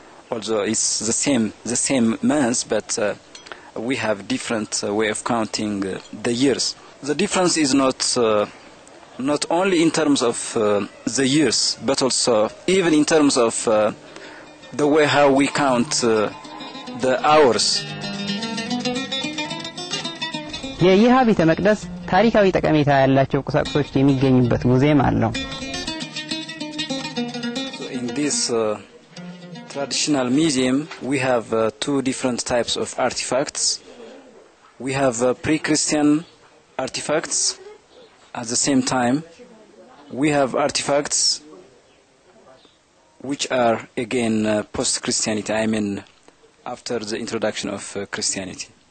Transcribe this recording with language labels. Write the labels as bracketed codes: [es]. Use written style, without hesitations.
[en] Although it's the same months, but we have different way of counting the years. The difference is not only in terms of the years, but also even in terms of the way how we count the hours. [am] የይሁዳ ቤተ መቅደስ ታሪካዊ ጠቀሜታ ያላቸው ቁሳቁሶች የሚገኙበት ሙዚየም አለው። [en] So in this traditional museum we have two different types of artifacts. We have pre-Christian artifacts. At the same time we have artifacts which are again post-Christianity, I mean after the introduction of Christianity.